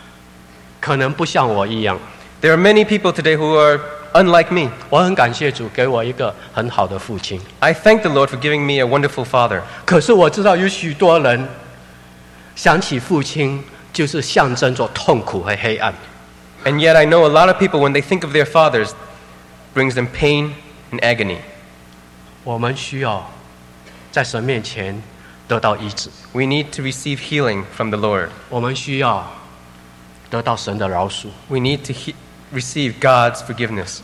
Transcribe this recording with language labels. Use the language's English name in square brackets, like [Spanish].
[Chinese] 今天有许许多多的人可能不像我一样。 [English] There are many people today who are unlike me. [Chinese] 我很感谢主给我一个很好的父亲。 [English] I thank the Lord for giving me a wonderful father. [Chinese] 可是我知道有许多人想起父亲就是象征着痛苦和黑暗。 [English] And yet I know a lot of people when they think of their fathers brings them pain and agony. [Chinese] 我们需要在神面前 [English] We need to receive healing from the Lord. We need to receive God's forgiveness.